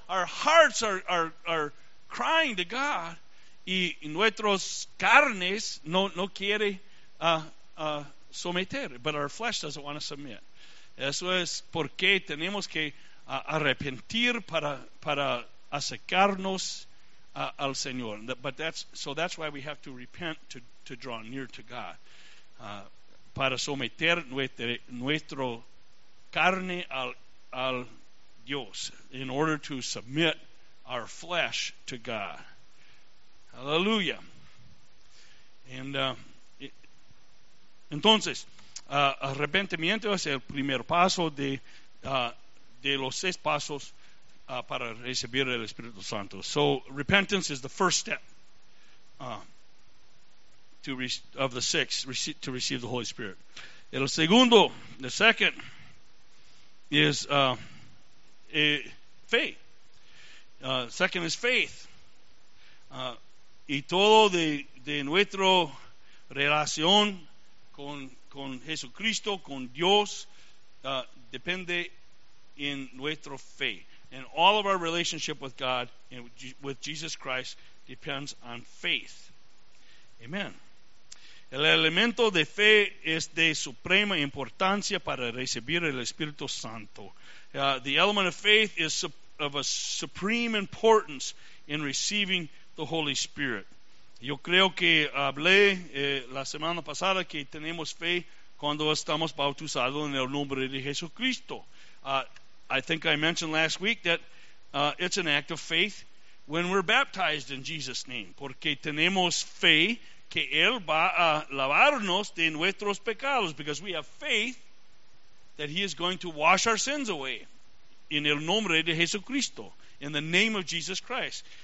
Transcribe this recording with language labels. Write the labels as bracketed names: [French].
[English] Our hearts are crying to God, [Spanish] y nuestros carnes no quiere someter, [English] but our flesh doesn't want to submit. [Spanish] Eso es porque tenemos que arrepentir para acercarnos al Señor. [English] But that's why we have to repent to draw near to God, [Spanish] para someter nuestro carne al Dios, [English] in order to submit our flesh to God. [Spanish] Hallelujah. And entonces, arrepentimiento es el primer paso de los seis pasos para recibir el Espíritu Santo. [English] So repentance is the first step of the six to receive the Holy Spirit. [Spanish] El segundo, [English] the second, is faith. Second is faith. [Spanish] Y todo de nuestra relación con Jesucristo, con Dios, depende en nuestra fe. [English] And all of our relationship with God and with Jesus Christ depends on faith. Amen. [Spanish] El elemento de fe es de suprema importancia para recibir el Espíritu Santo. [English] The element of faith is of a supreme importance in receiving the Holy Spirit. [Spanish] Yo creo que hablé la semana pasada que tenemos fe cuando estamos bautizados en el nombre de Jesucristo. [English] I think I mentioned last week that it's an act of faith when we're baptized in Jesus' name, [Spanish] porque tenemos fe que Él va a lavarnos de nuestros pecados, [English] because we have faith that He is going to wash our sins away in [Spanish] el nombre de Jesucristo, [English] in the name of Jesus Christ.